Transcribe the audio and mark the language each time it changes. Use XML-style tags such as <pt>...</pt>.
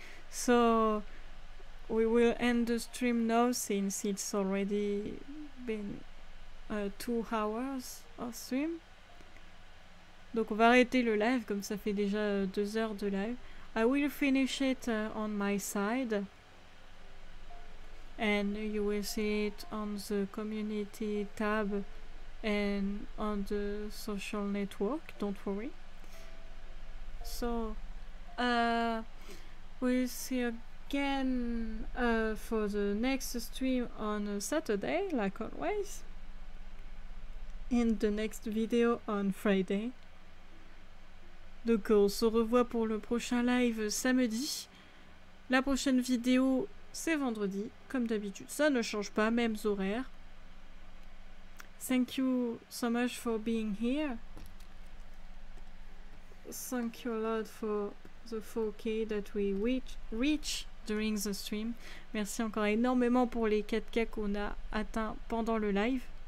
<en>So we will end the stream now since it's already been 2 hours of stream.</en> <fr>Donc on va arrêter le live, comme ça fait déjà 2 heures de live.</fr> <en>I will finish it on my side and you will see it on the community tab and on the social network, don't worry. So we'll see again for the next stream on Saturday, like always. In the next video on Friday.</en> <fr>Donc on se revoit pour le prochain live samedi. La prochaine vidéo c'est vendredi, comme d'habitude. Ça ne change pas, mêmes horaires.</fr> <en>Thank you so much for being here. Thank you a lot for the 4K that we reach during the stream.</en> <fr>Merci encore énormément pour les 4K qu'on a atteint pendant le live.</fr>